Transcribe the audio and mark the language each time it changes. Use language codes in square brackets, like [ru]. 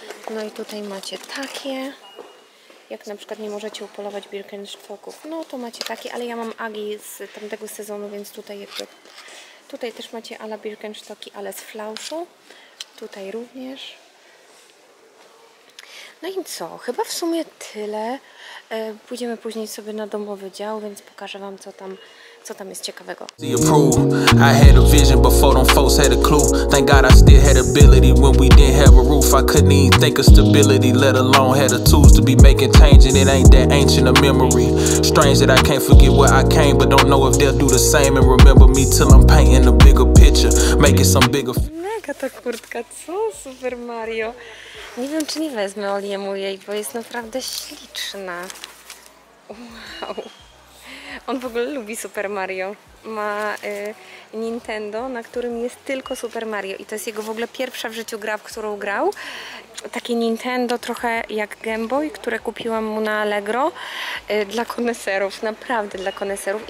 [pl] No i tutaj macie takie. Jak na przykład nie możecie upolować Birkenstocków, no to macie takie, ale ja mam Agi z tamtego sezonu, więc tutaj jakby, tutaj też macie ala Birkenstocki, ale z flauszu, tutaj również. No i co, chyba w sumie tyle, pójdziemy później sobie na domowy dział, więc pokażę Wam co tam jest ciekawego. [en] I had a vision before them folks had a clue. Thank God I still had ability when we didn't have a roof. I couldn't even think of stability, let alone had the tools to be making change. And it ain't that ancient a memory. Strange that I can't forget where I came, but don't know if they'll do the same and remember me till I'm painting a bigger picture, making some bigger. [pl] Mega ta kurtka, co Super Mario. Nie wiem, czy nie wezmę Oliemu jej, bo jest naprawdę śliczna. Wow. On w ogóle lubi Super Mario. ma Nintendo, na którym jest tylko Super Mario. I to jest jego w ogóle pierwsza w życiu gra, w którą grał. Takie Nintendo trochę jak Game Boy, które kupiłam mu na Allegro dla koneserów, naprawdę dla koneserów.